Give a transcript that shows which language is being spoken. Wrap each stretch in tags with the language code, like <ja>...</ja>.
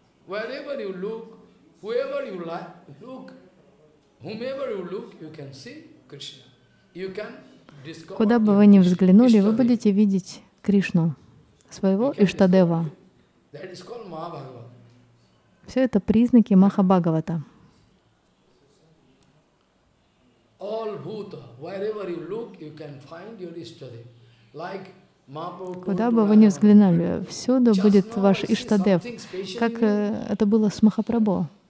<en>Wherever you look, whoever you like, look, whomever you look, you can see Krishna. You can discover.</en> <ru>Куда бы вы ни взглянули, вы будете видеть Кришну, своего Иштадева.</ru> <en>That is called Mahabhagavata.</en> <ru>Все это признаки Махабхагавата.</ru> <en>All Bhuta, wherever you look, you can find your Ishtadev. Like</en> <ru>куда бы вы ни взглянули, всюду будет ваш Иштадев, как это было с Махапрабху.</ru>